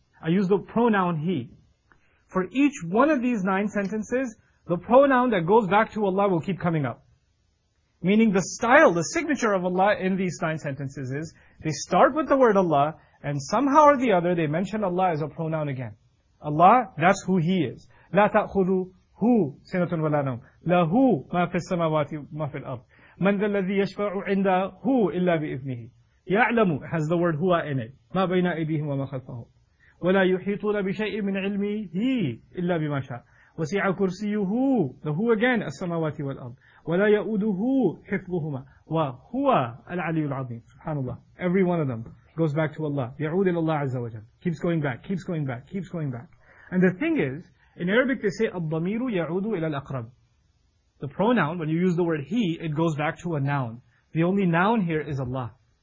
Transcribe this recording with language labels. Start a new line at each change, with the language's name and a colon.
English: I used the pronoun He. For each one of these 9 sentences, the pronoun that goes back to Allah will keep coming up. Meaning the style, the signature of Allah in these 9 sentences is, they start with the word Allah, and somehow or the other, they mention Allah as a pronoun again. Allah, that's who He is.
Arabic: لا تأخذوا هو سنة ولا نوم. له ما في السماوات ما في الأرض. من ذا الذي يشفع عنده إلا بإذنه.
English: يعلم, has the word هو in it.
Arabic: ما بين أيديهم وما خلفهم. ولا يحيطون بشيء من علمه إلا بما شاء. وسع كرسيه,
English: the who again,
Arabic: السماوات والأرض. وَلَا يَؤُدُهُ حِفْظُهُمَا وَهُوَ الْعَلِيُّ الْعَظِيمُ. Subhanallah.
English: Every one of them goes back to Allah.
Arabic: يَعُودِ لِلَّهِ عَزَّ وَجَلَّ.
English: Keeps going back, keeps going back, keeps going back. And the thing is, in Arabic they say,
Arabic: الضَّمِيرُ يَعُودُ إِلَى الْأَقْرَبِ.
English: The pronoun, when you use the word he, it goes back to a noun. The only noun here is Allah.